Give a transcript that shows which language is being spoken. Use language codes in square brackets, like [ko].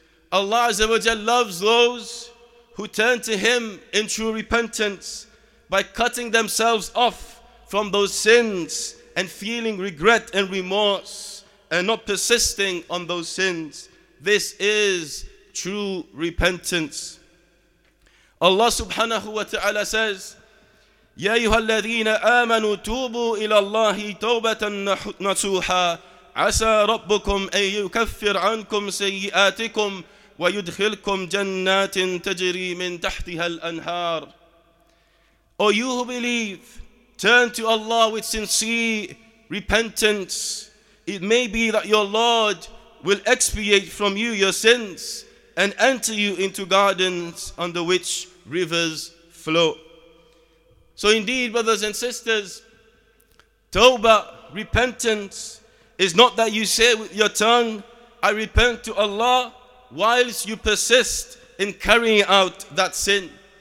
[en] Allah Azza wa Jalla loves those who turn to Him in true repentance by cutting themselves off from those sins and feeling regret and remorse and not persisting on those sins. This is true repentance. Allah subhanahu wa ta'ala says, [ar] يَا أَيُّهَا الَّذِينَ آمَنُوا تُوبُوا إِلَى اللَّهِ تَوْبَةً نَصُوحًا عَسَى رَبُّكُمْ أَن يُكَفِّرْ عَنْكُمْ سَيِّئَاتِكُمْ وَيُدْخِلْكُمْ جَنَّاتٍ تَجْرِي مِنْ تَحْتِهَا الْأَنْهَارِ. [en] O you who believe, turn to Allah with sincere repentance. It may be that your Lord will expiate from you your sins and enter you into gardens under which rivers flow. So indeed, brothers and sisters, tawbah, repentance, is not that you say with your tongue, I repent to Allah, whilst you persist in carrying out that sin.